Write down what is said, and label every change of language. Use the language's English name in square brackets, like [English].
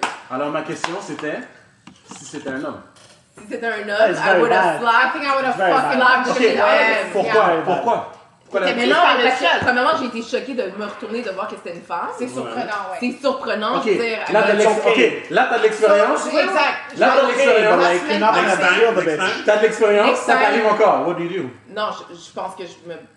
[French] Alors ma question c'était si c'était un homme. Si c'était un homme, [English] I would have fucking slapped him in the head. [French] Pourquoi? Premièrement, j'ai été choquée de me retourner de voir que c'était une femme. C'est surprenant. [English] Okay. [French] Là, t'as de l'expérience. Oui, exact. Là, t'as de l'expérience. T'as de l'expérience. Ça t'arrive encore. [English] What do you do? [French] Non, je pense que je me